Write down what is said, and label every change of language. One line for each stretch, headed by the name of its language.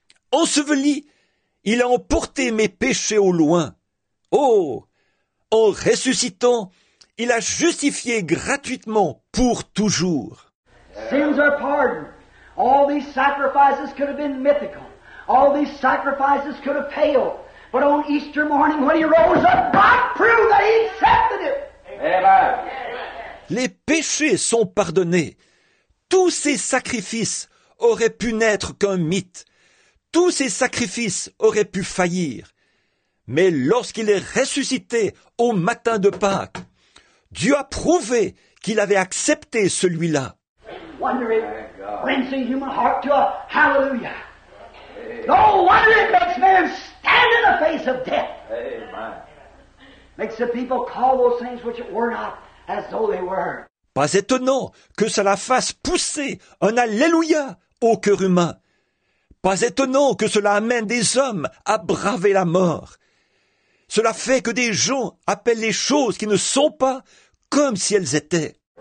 French: Enseveli, il a emporté mes péchés au loin. Oh, en ressuscitant, il a justifié gratuitement pour toujours.
English: Sins are pardoned. All these sacrifices could have been mythical. All these sacrifices could have failed. But on Easter morning when he rose up, God proved that he accepted it. Amen.
French: Les péchés sont pardonnés. Tous ces sacrifices auraient pu n'être qu'un mythe. Tous ces sacrifices auraient pu faillir. Mais lorsqu'il est ressuscité au matin de Pâques, Dieu a prouvé qu'il avait accepté celui-là.
English: Wonder it brings a human heart to a hallelujah. No wonder it makes man stand in the face of death. Amen. Makes the people call those things which were not as though they were.
French: Pas étonnant que cela fasse pousser un alléluia au cœur humain. Pas étonnant que cela amène des hommes à braver la mort. Cela fait que des gens appellent les choses qui ne sont pas comme si elles étaient.